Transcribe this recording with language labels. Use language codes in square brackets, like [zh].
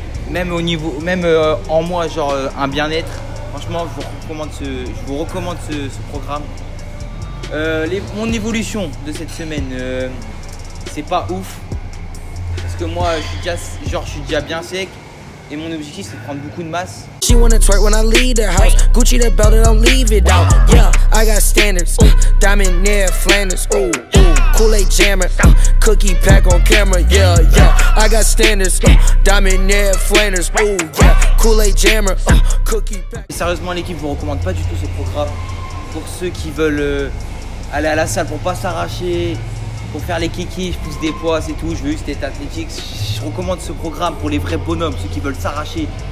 [fr] Même en moi, genre un bien-être. Franchement, je vous recommande ce programme. Mon évolution de cette semaine, c'est pas ouf. Parce que moi, je suis déjà bien sec. Et mon objectif, c'est de prendre beaucoup de masse. [en] She wanna twerk when I leave the house. Gucci the belt and I'll leave it out. Yeah, I got standards. Diamond near Flanders. Ooh, ooh, Kool-Aid jammer. Cookie pack on camera. Yeah, yeah, I got standards. Diamond near Flanders. Ooh, yeah, Kool-Aid jammer. Cookie pack. [fr] Et sérieusement, l'équipe vous recommande pas du tout ce programme. Pour ceux qui veulent aller à la salle pour pas s'arracher, pour faire les kikis, je pousse des poids, c'est tout. Je veux juste être athlétique. Je recommande ce programme pour les vrais bonhommes, ceux qui veulent s'arracher.